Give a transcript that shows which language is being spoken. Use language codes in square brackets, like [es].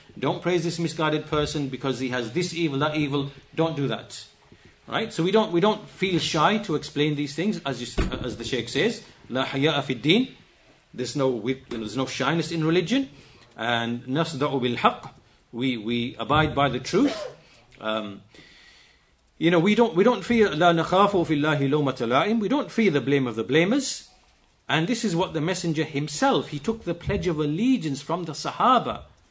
[en] Don't praise this misguided person because he has this evil, that evil. Don't do that. Right? So we don't feel shy to explain these things, as the Shaykh says, [ar] لا حياء في الدين. [en] There's no, you know, there's no shyness in religion, and [ar] نصدع بالحق. [en] We abide by the truth. You know, we don't fear [ar] لا نخاف في الله لومة لائم. [en] We don't fear the blame of the blamers, and this is what the Messenger himself, he took the pledge of allegiance from the Sahaba.